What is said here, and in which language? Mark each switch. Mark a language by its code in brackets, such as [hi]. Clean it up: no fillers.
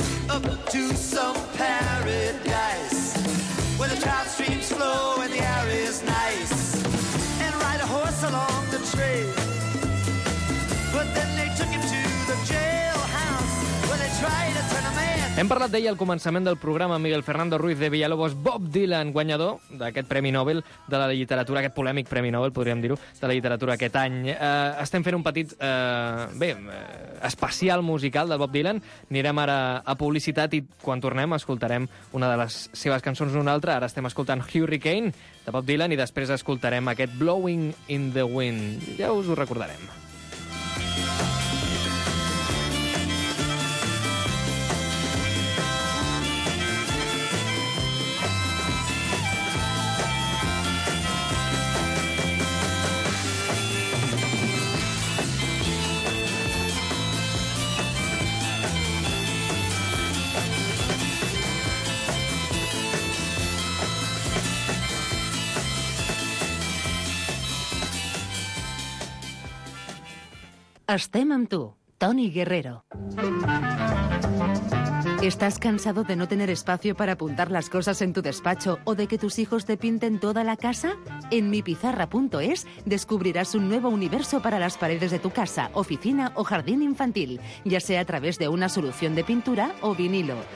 [en] Up to some paradise where the trout streams flow and the air is nice. And ride a horse along the trail. But then they took him to the jailhouse where they tried to turn a man. [ca] Hem parlat d'ell al començament del programa, Miguel Fernando Ruiz de Villalobos, Bob Dylan, guanyador d'aquest Premi Nobel de la Literatura, aquest polèmic Premi Nobel, podríem dir-ho, de la literatura aquest any. Estem fent un petit, especial musical del Bob Dylan. Anirem ara a publicitat i quan tornem escoltarem una de les seves cançons una altra. Ara estem escoltant Hurricane, de Bob Dylan, i després escoltarem aquest Blowing in the Wind. Ja us ho recordarem. Estem amb tu, Toni Guerrero. [es] ¿Estás cansado de no tener espacio para apuntar las cosas en tu despacho o de que tus hijos te pinten toda la casa? En mipizarra.es descubrirás un nuevo universo para las paredes de tu casa, oficina o jardín infantil, ya sea a través de una solución de pintura o vinilo.